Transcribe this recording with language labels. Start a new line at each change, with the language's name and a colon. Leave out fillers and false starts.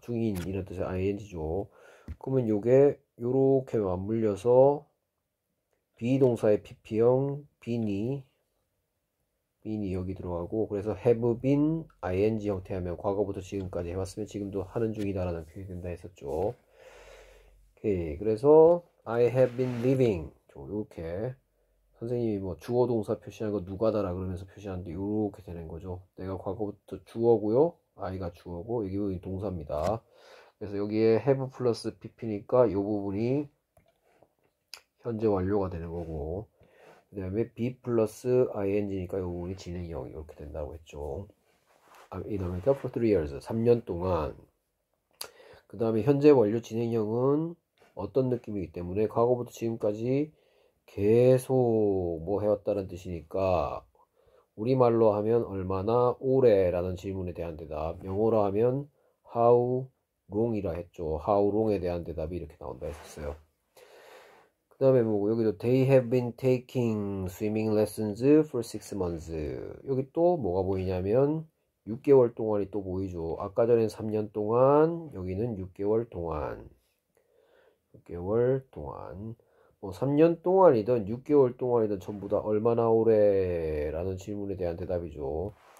Korean: 중인 이런 뜻의 ing죠. 그러면 요게 요렇게 맞물려서 be 동사의 pp형 been이 여기 들어가고 그래서 have been ing 형태 하면 과거부터 지금까지 해왔으면 지금도 하는 중이다라는 표현이 된다 했었죠. 오케이.
English: 그래서 I have been living.
Korean: 이렇게 선생님이 뭐 주어 동사 표시한 거 누가다라 그러면서 표시하는데 이렇게 되는 거죠. 내가 과거부터 주어고요. I가 주어고 여기 동사입니다. 그래서 여기에 have 플러스 pp니까 이 부분이 현재 완료가 되는 거고 그다음에 be 플러스 ing니까 이 부분이 진행형 이렇게 된다고 했죠.
English: I've been living for 3 years.
Korean: 3년 동안. 그다음에 현재 완료 진행형은 어떤 느낌이기 때문에 과거부터 지금까지 계속 뭐 해왔다는 뜻이니까 우리말로 하면 얼마나 오래라는 질문에 대한 대답, 영어로 하면 how long이라 했죠. how long에 대한 대답이 이렇게 나온다 했었어요. 그 다음에 보고 여기도
English: they have been taking swimming lessons for 6 months.
Korean: 여기 또 뭐가 보이냐면 6개월 동안이 또 보이죠. 아까 전엔 3년 동안, 여기는 6개월 동안. 6개월 동안 뭐 3년 동안이든 6개월 동안이든 전부 다 얼마나 오래라는 질문에 대한 대답이죠.